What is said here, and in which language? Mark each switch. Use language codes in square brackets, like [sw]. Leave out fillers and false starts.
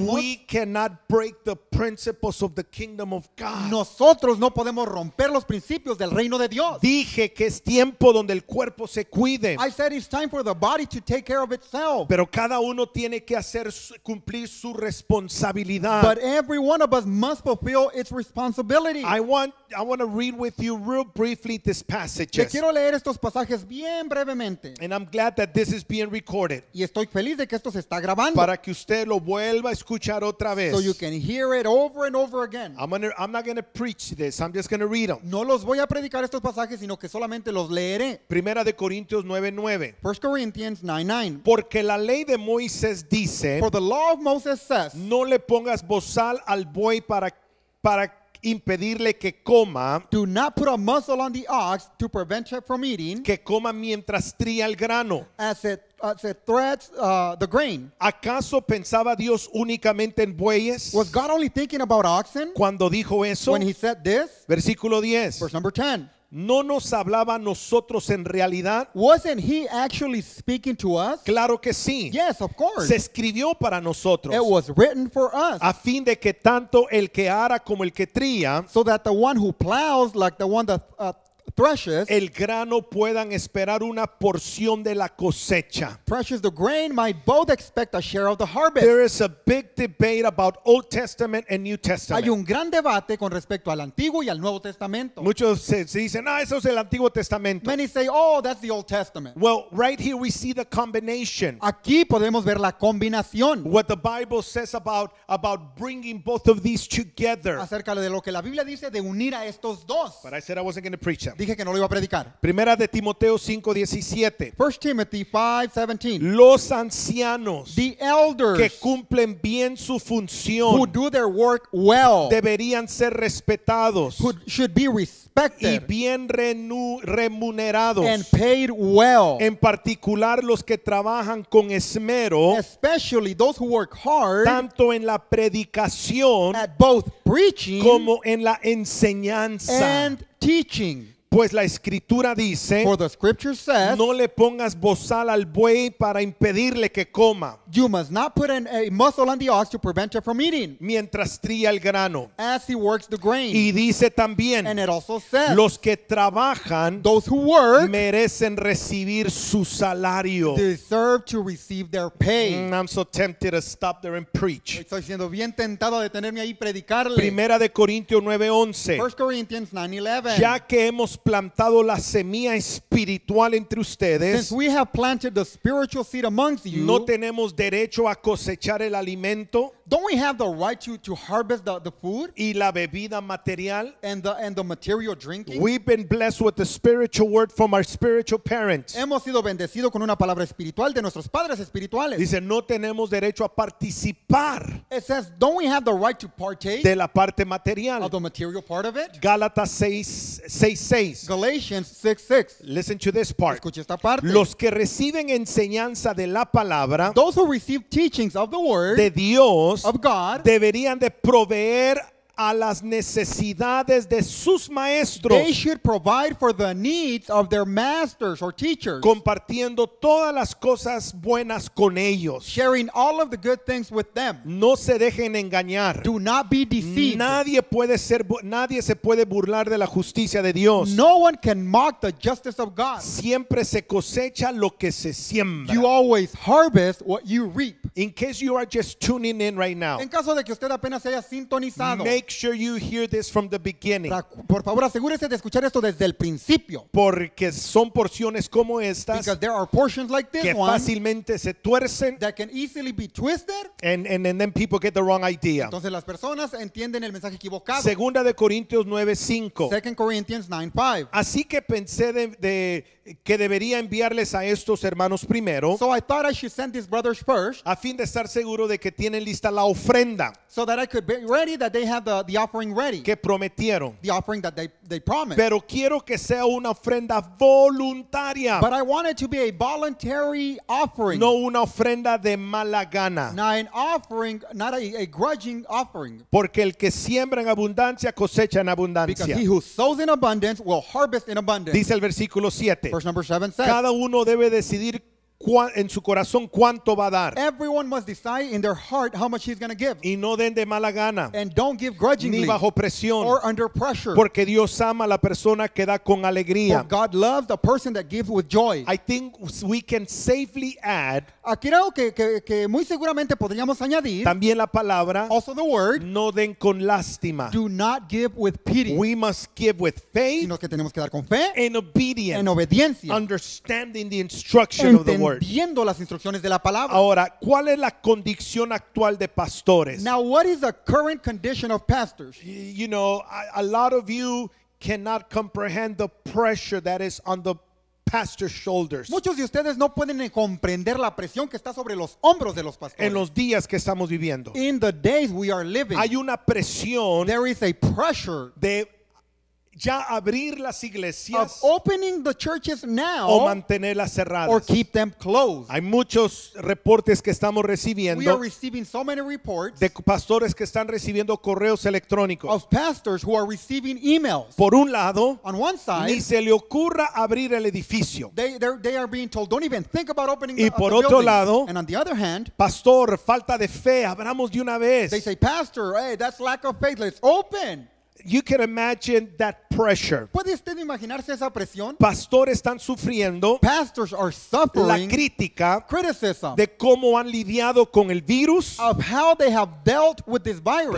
[en] We cannot break the principles of the kingdom of God. [es] Nosotros no podemos romper los principios del reino de Dios. Dije que es tiempo donde el cuerpo se cuide. [en] I said it's time for the body to take care of itself. [es] Pero cada uno tiene que hacer cumplir su responsabilidad. [en] But every one of us must fulfill its responsibility. I want to read with you real briefly this passage. [es] Quiero leer estos pasajes bien brevemente. [en] And I'm glad that this is being recorded. [es] Y estoy feliz de que esto se está grabando. Para que usted lo vuelva a escuchar otra vez. [en] So you can hear it over and over again. I'm not going to preach this. I'm just going to read them. [es] No los voy a predicar estos pasajes, sino que solamente los leeré. Primera de Corintios 9:9. [en] 1 Corinthians 9:9. [es] Porque la ley de Moisés dice, [en] for the law of Moses says, [es] no le pongas bozal al buey para impedirle que coma, [en] do not put a muzzle on the ox to prevent it from eating, [es] que coma mientras tría el grano, [en] as it threads the grain. [es] ¿Acaso pensaba Dios únicamente en bueyes? [en] Was God only thinking about oxen? [es] Cuando dijo eso, [en] when he said this, [es] versículo 10, [en] verse number 10, [es] no nos hablaba a nosotros en realidad. [en] Wasn't he actually speaking to us? [es] Claro que sí. [en] Yes, of course. [es] Se escribió para nosotros. [en] It was written for us. [es] A fin de que tanto el que ara como el que tría. [en] So that the one who plows like the one that threshes. [es] El grano puedan esperar una porción de la cosecha. [en] Threshes the grain might both expect a share of the harvest. There is a big debate about Old Testament and New Testament. [es] Hay un gran debate con respecto al Antiguo y al Nuevo Testamento. Muchos se dicen, eso es el Antiguo Testamento. [en] Many say, oh, that's the Old Testament. Well, right here we see the combination. [es] Aquí podemos ver la combinación. [en] What the Bible says about bringing both of these together. [es] Acerca de lo que la Biblia dice de unir a estos dos. [en] But I said I wasn't going to preach. [es] Dije que no lo iba a predicar. Primera de Timoteo 5:17. [en] 1 Timothy 5:17. [es] Los ancianos, [en] the elders, [es] que cumplen bien su función, [en] who do their work well, [es] deberían ser respetados, [en] who should be respected, [es] y bien remunerados, [en] and paid well, [es] en particular los que trabajan con esmero, [en] especially those who work hard, [es] tanto en la predicación, [en] at both preaching, [es] como en la enseñanza, [en] and teaching. [es] Pues la escritura dice, [en] for the scripture says, [es] no le pongas bozal al buey para impedirle que coma. [en] You must not put a muzzle on the ox to prevent it from eating. [es] Mientras tría el grano. [en] As he works the grain. [es] Y dice también, [en] and it also says, [es] los que trabajan, [en] those who work, [es] merecen recibir su salario. [en] Deserve to receive their pay. I'm so tempted to stop there and preach. [es] Estoy siendo bien tentado a detenerme ahí y predicarle. Primera de Corintios 9:11. [en] 1 Corinthians 9:11. [es] Ya que hemos plantado la semilla espiritual entre ustedes, [en] since we have planted the spiritual seed amongst you, [es] no tenemos derecho a cosechar el alimento, [en] don't we have the right to harvest the food, [es] y la bebida material, [en] and the material drinking. We've been blessed with the spiritual word from our spiritual parents. [es] Hemos sido bendecidos con una palabra espiritual de nuestros padres espirituales. Dice, no tenemos derecho a participar. [en] It says, don't we have the right to partake, [es] de la parte material, [en] of the material part of it. [es] Gálatas 6:6. [en] Galatians 6:6. Listen to this part. [es] Escuche esta parte. Los que reciben enseñanza de la palabra, [en] those who receive teachings of the word, [es] de Dios, Dios [en] of God, [es] deberían de proveer a las necesidades de sus maestros. [en] They should provide for the needs of their masters or teachers. [es] Compartiendo todas las cosas buenas con ellos. [en] Sharing all of the good things with them. [es] No se dejen engañar. [en] Do not be deceived. [es] Nadie se puede burlar de la justicia de Dios. [en] No one can mock the justice of God. [es] Siempre se cosecha lo que se siembra. [en] You always harvest what you reap. In case you are just tuning in right now. [es] En caso de que usted apenas haya sintonizado. [en] Make sure you hear this from the beginning. [es] Por favor, asegúrese de escuchar esto desde el principio. Porque son porciones como estas. [en] Because there are portions like this [es] que [en] one. [es] Que fácilmente se tuercen. [en] That can easily be twisted. And then people get the wrong idea. [es] Entonces las personas entienden el mensaje equivocado. Segunda de Corintios 9:5. [en] Second Corinthians 9:5. [es] Así que pensé de que debería enviarles a estos hermanos primero. [en] So I thought I should send these brothers first. [es] A fin de estar seguro de que tienen lista la ofrenda. [en] So that I could be ready that they have the offering ready. [es] Que prometieron. [en] The offering that they promised. [es] Pero quiero que sea una ofrenda voluntaria. [en] But I want it to be a voluntary offering. [es] No una ofrenda de mala gana. [en] Not an offering, not a grudging offering. [es] Porque el que siembra en abundancia cosecha en abundancia. [en] Because he who sows in abundance will harvest in abundance. [es] Dice el versículo 7. [en] Verse number 7 says. [es] Cada uno debe decidir en su corazón cuánto va a dar. [en] Everyone must decide in their heart how much he's going to give. [es] Y no den de mala gana. [en] And don't give grudgingly. [es] Ni bajo presión. [en] Or under pressure. [es] Porque Dios ama a la persona que da con alegría. [en] For God loves the person that gives with joy. I think we can safely add. [es] Creo que muy seguramente podríamos añadir. También la palabra. [en] Also the word. [es] No den con lástima. [en] Do not give with pity. We must give with faith. [es] Sino que tenemos que dar con fe. [en] In obedience. [es] En obediencia. [en] Understanding the instruction of the word. [es] Entendiendo las instrucciones de la palabra. Ahora, ¿cuál es la condición actual de pastores? [en] Now, what is the current condition of pastors? You know, a lot of you cannot comprehend the pressure that is on the pastor's shoulders. [es] Muchos de ustedes no pueden comprender la presión que está sobre los hombros de los pastores. En los días que estamos viviendo. [en] In the days we are living. [es] Hay una presión. [en] There is a pressure. [es] De ya abrir las iglesias. [en] Of opening the churches now. [es] O mantenerlas cerradas. [en] Or keep them closed. [es] Hay muchos reportes que estamos recibiendo. [en] We are receiving so many reports. [es] De pastores que están recibiendo correos electrónicos. [en] Of pastors who are receiving emails. [es] Por un lado. [en] On one side. [es] Ni se le ocurra abrir el edificio. [en] They are being told, don't even think about opening [es] y [en] the building. [es] Y por otro lado. [en] And on the other hand. [es] Pastor, falta de fe, abramos de una vez. [en] They say, pastor, hey, that's lack of faith, let's open. You can imagine that pressure. [es] ¿Puede usted imaginarse esa presión? Pastores están sufriendo. [en] Pastors are suffering. [es] La crítica. [en] Criticism. [es] De cómo han lidiado con el virus. [en] Of how they have dealt with this virus.